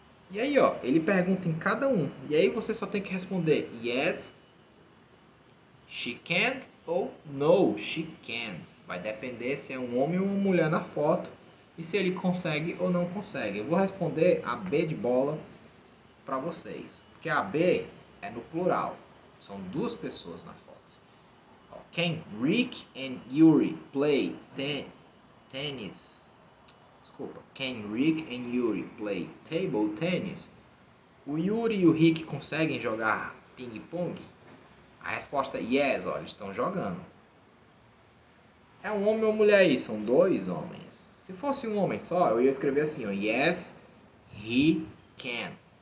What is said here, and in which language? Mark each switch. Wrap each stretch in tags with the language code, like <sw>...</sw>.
<pt>E aí, ó, ele pergunta em cada um. E aí você só tem que responder</pt> <en>yes, she can't</en> <pt>ou</pt> <en>no, she can't.</en> <pt>Vai depender se é um homem ou uma mulher na foto e se ele consegue ou não consegue. Eu vou responder a B de bola para vocês, porque a B é no plural. São duas pessoas na foto.</pt> <en>Can Rick and Yuri play tennis?</en> <pt>Desculpa.</pt> <en>Can Rick and Yuri play table tennis?</en> <pt>O Yuri e o Rick conseguem jogar ping-pong? A resposta é yes, ó, eles estão jogando. É um homem ou mulher aí? São dois homens. Se fosse um homem só, eu ia escrever assim, ó,</pt> <en>yes, he can.</en>